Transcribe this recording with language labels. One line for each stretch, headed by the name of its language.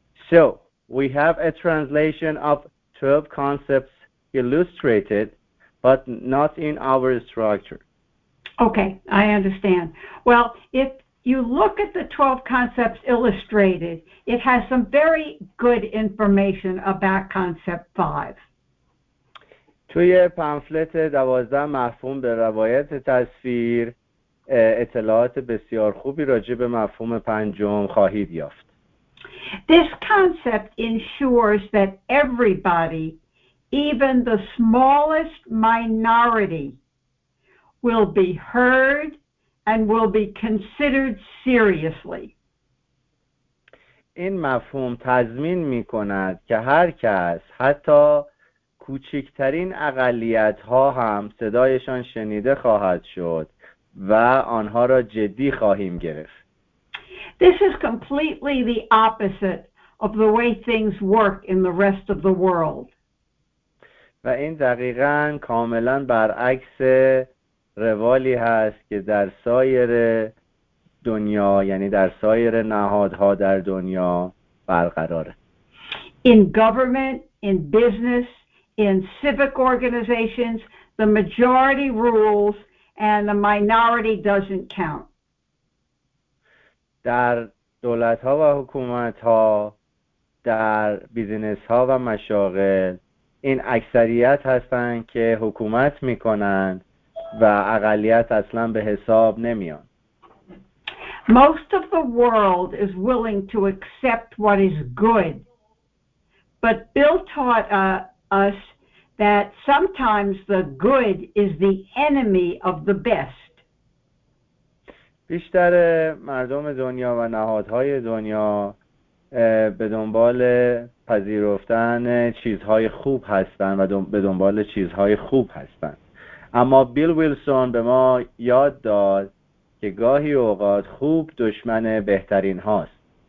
English: So we have a translation of 12 concepts illustrated, but not in our structure. Okay, I understand. Well, if you look at the 12 concepts illustrated, it has some very good information about concept 5.
Persian: توی پامفلت دوازده مفهوم به روایت تصویر اطلاعات بسیار خوبی راجع به مفهوم پنجم خواهید یافت.
English: This concept ensures that everybody, even the smallest minority, will be heard and will be considered seriously.
Persian: این مفهوم تضمین می‌کند که هر کس حتی کوچکترین اقلیت‌ها هم صدایشان شنیده خواهد شد و آنها را جدی خواهیم گرفت.
English: This is completely the opposite of the way things work in the rest of the world.
Persian: و این دقیقاً کاملاً برعکس روالی هست که در سایر دنیا، یعنی در سایر نهادها در دنیا برقراره.
English: In government, in business, in civic organizations, the majority rules and the minority doesn't count.
Persian: در دولت‌ها و حکومت‌ها، در بیزینس‌ها و مشاغل، این اکثریت هستند که حکومت می‌کنند و اقلیت اصلاً به حساب نمی‌آید.
English: Most of the world is willing to accept what is good, but Bill taught us that sometimes the good is the enemy of the best.
Persian: بیشتر مردم دنیا و نهادهای دنیا به دنبال پذیرفتن چیزهای خوب هستند و به دنبال چیزهای خوب هستند. اما بیل ویلسون به ما یاد داد که گاهی اوقات خوب دشمن بهترین هاست.